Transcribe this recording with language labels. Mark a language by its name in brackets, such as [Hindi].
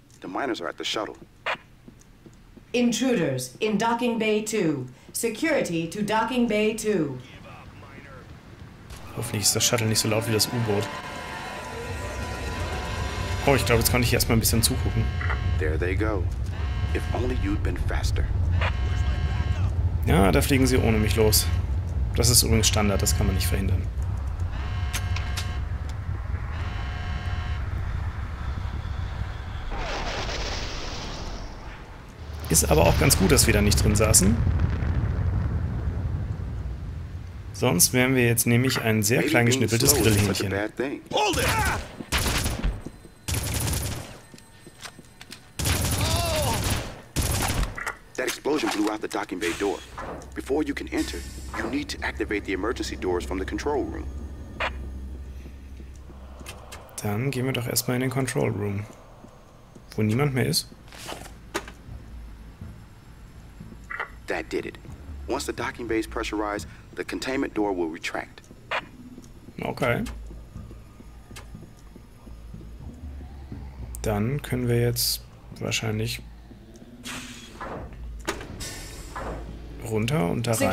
[English] The miners are at the shuttle. Intruders in Docking Bay 2. Security to Docking Bay 2. [German] Hoffentlich ist das Shuttle nicht so laut wie das U-Boot. Oh, ich glaube, jetzt kann ich erstmal ein bisschen zugucken. [English] There they go. If only you'd been faster. [German] Ja, da fliegen sie ohne mich los. Das ist übrigens Standard, das kann man nicht verhindern. Ist aber auch ganz gut, dass wir da nicht drin saßen. Sonst wären wir jetzt nämlich ein sehr klein geschnippeltes Grillhähnchen. [English] That explosion blew out the docking bay door. Before you can enter, you need to activate the emergency doors from the control room. [German] Dann gehen wir doch erstmal in den Control Room, wo niemand mehr ist. [English] That did it. Once the docking bay is pressurized, the containment door will retract. Okay. [German] Dann können wir jetzt wahrscheinlich runter und da rein.